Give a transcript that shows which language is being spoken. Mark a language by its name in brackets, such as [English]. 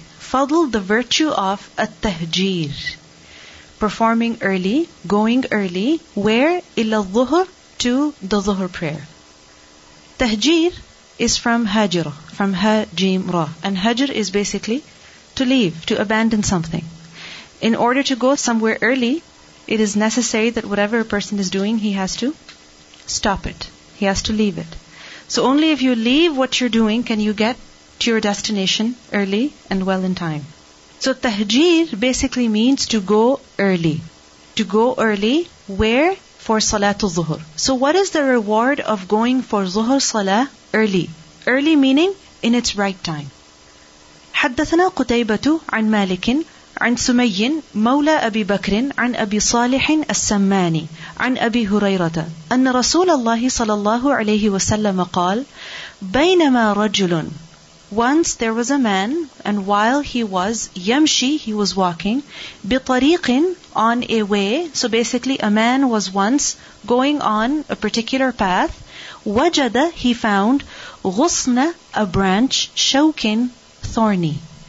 [English] Fadl, the virtue of التهجير, performing early, going early, where? [Arabic] إلى الظهر, [English] to the ظهر prayer. تهجير is from هاجر, from ها جيم را, and هاجر is basically to leave, to abandon something. In order to go somewhere early, it is necessary that whatever a person is doing, he has to stop it. He has to leave it. So only if you leave what you're doing can you get to your destination early and well in time. So tahjir basically means to go early. To go early, where? For salatul zuhur. So what is the reward of going for zuhur salah early? Early meaning in its right time. [Arabic] حَدَّثَنَا قُتَيْبَةُ عَنْ مَالِكٍ عن سمي مولى أبي بكر عن أبي صالح السماني عن أبي هريرة أن رسول الله صلى الله عليه وسلم قال بينما رجل. [English] Once there was a man, and while he was يمشي, he was walking بطريق, on a way. So basically a man was once going on a particular path. وجد, he found غصن, a branch, شوك, thorny.